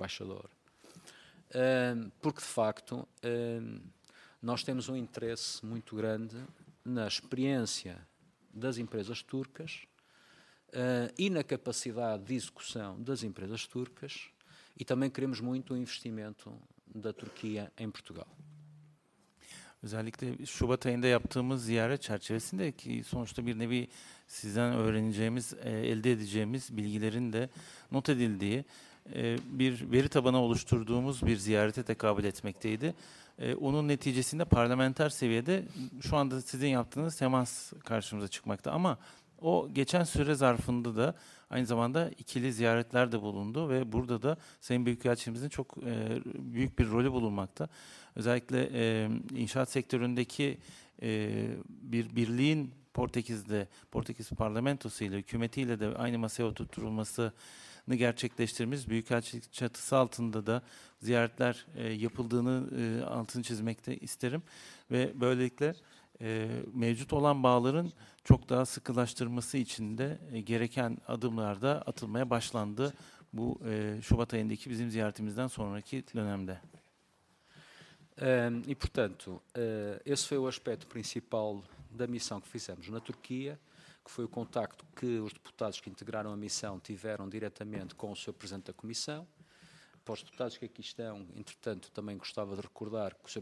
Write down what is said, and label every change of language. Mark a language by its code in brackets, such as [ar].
[pt] Embaixador, porque, de facto, nós temos um interesse muito grande na experiência das empresas turcas e na capacidade de execução das empresas turcas. E também queremos muito o investimento da Turquia em Portugal. [tr] Özellikle Şubat ayında yaptığımız ziyaret çerçevesinde ki sonuçta bir nevi sizden öğreneceğimiz, elde edeceğimiz bilgilerin de not edildiği bir veri tabanı oluşturduğumuz bir ziyarete tekabül etmekteydi. Onun neticesinde parlamenter seviyede şu anda sizin yaptığınız temas karşımıza çıkmakta. Ama o geçen süre zarfında da aynı zamanda ikili ziyaretler de bulundu ve burada da Sayın Büyükelçimizin çok büyük bir rolü bulunmakta. Özellikle inşaat sektöründeki bir birliğin Portekiz parlamentosu ile hükümetiyle de aynı masaya oturtulmasını gerçekleştirmiş. Büyükelçilik çatısı altında da ziyaretler yapıldığını altını çizmekte isterim. Ve böylelikle mevcut olan bağların çok daha sıkılaştırması için de gereken adımlar da atılmaya başlandı bu Şubat ayındaki bizim ziyaretimizden sonraki dönemde. [pt] E portanto, esse foi o aspecto principal da missão que fizemos na Turquia, que foi o contacto que os deputados que integraram a missão tiveram diretamente com o seu presidente da comissão. Para os deputados que aqui estão, entretanto, também gostava de recordar que o Sr.